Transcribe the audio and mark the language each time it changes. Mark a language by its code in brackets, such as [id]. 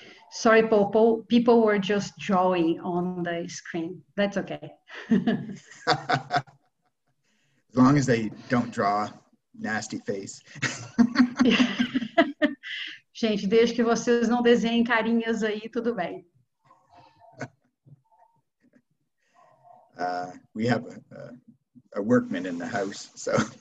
[en] Sorry, people were just drawing on the screen. That's okay. As long as they don't draw nasty face. [pt] Gente, desde que vocês não desenhem carinhas aí, tudo bem. [en] We have a workman in the house, so.